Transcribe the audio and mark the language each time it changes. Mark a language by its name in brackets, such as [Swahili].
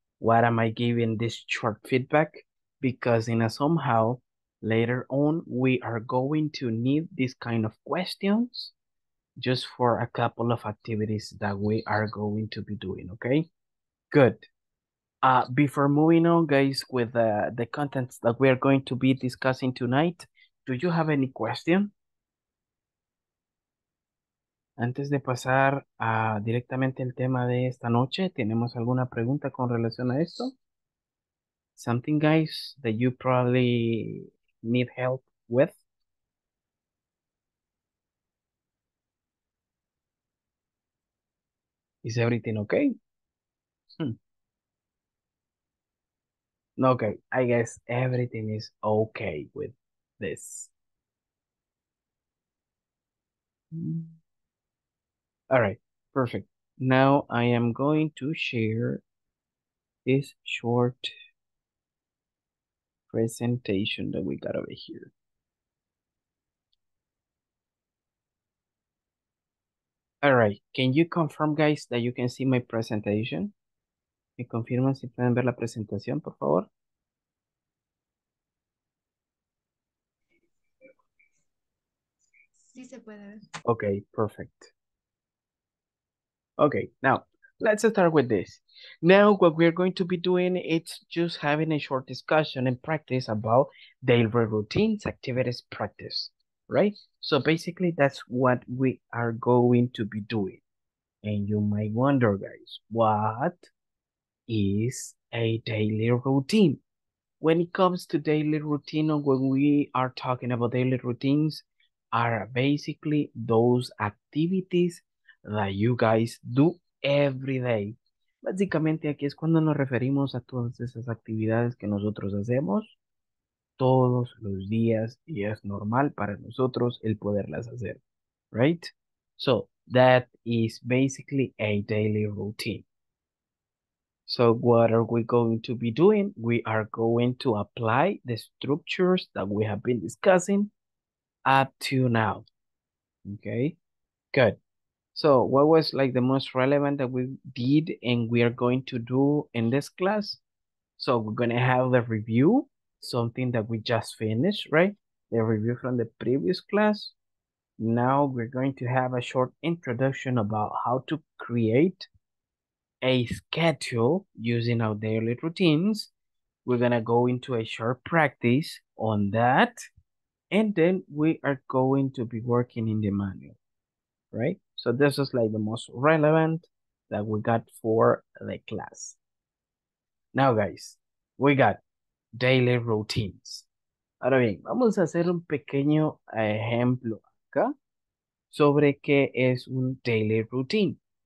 [English] What am I giving this short feedback? Because in a somehow, later on, we are going to need these kind of questions just for a couple of activities that we are going to be doing, okay? Good. Before moving on, guys, with the contents that we are going to be discussing tonight, do you have any question? [Spanish] Antes de pasar a directamente el tema de esta noche, ¿tenemos alguna pregunta con relación a esto? [English] something, guys, that you probably need help with? Is everything okay? Okay, I guess everything is okay with this. All right, perfect. Now I am going to share this short presentation that we got over here. All right, can you confirm, guys, that you can see my presentation? [Spanish] ¿Me confirman si pueden ver la presentación, por favor? Sí se puede ver. [English] Okay, perfect. Okay, now, let's start with this. Now, what we're going to be doing is just having a short discussion and practice about daily routines, activities, practice, right? So basically, that's what we are going to be doing. And you might wonder, guys, what is a daily routine? When it comes to daily routine, or when we are talking about daily routines, are basically those activities that you guys do every day. [Spanish] Básicamente aquí es cuando nos referimos a todas esas actividades que nosotros hacemos todos los días y es normal para nosotros el poderlas hacer, right? [English] So that is basically a daily routine. So what are we going to be doing? We are going to apply the structures that we have been discussing up to now. Okay, good. So what was like the most relevant that we did and we are going to do in this class? So we're going to have the review, something that we just finished, right? The review from the previous class. Now we're going to have a short introduction about how to create a schedule using our daily routines. We're going to go into a short practice on that. And then we are going to be working in the manual, right? So this is like the most relevant that we got for the class. Now, guys, we got daily routines. [Spanish] Ahora bien, vamos a hacer un pequeño ejemplo acá sobre qué es un daily routine.